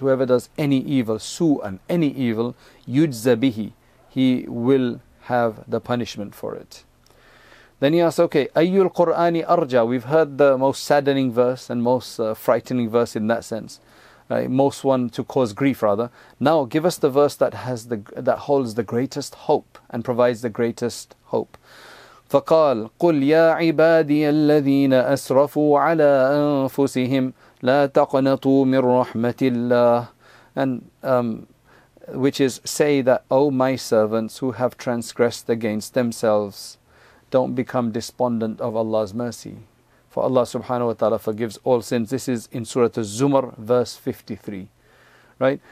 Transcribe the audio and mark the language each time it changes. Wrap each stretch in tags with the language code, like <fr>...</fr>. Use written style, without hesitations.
<en>Whoever does any evil,</en> <ar>سُوءًا,</ar> <en>any evil,</en> <ar>يُجْزَ بِهِ,</ar> <en>he will have the punishment for it. Then he asks, okay,</en> <ar>أَيُّ الْقُرْآنِ أَرْجَى.</ar> <en>We've heard the most saddening verse and most frightening verse in that sense. Most one to cause grief rather. Now give us the verse that has the that holds the greatest hope and provides the greatest hope.</en> <ar>فقال قل يا عبادي الذين أسرفوا على أنفسهم لا تقنطوا من رحمة الله.</ar> <en>And which is say that, O my servants who have transgressed against themselves, don't become despondent of Allah's mercy. For Allah subhanahu wa ta'ala forgives all sins. This is in Surah Az-Zumar, verse 53. Right?</en>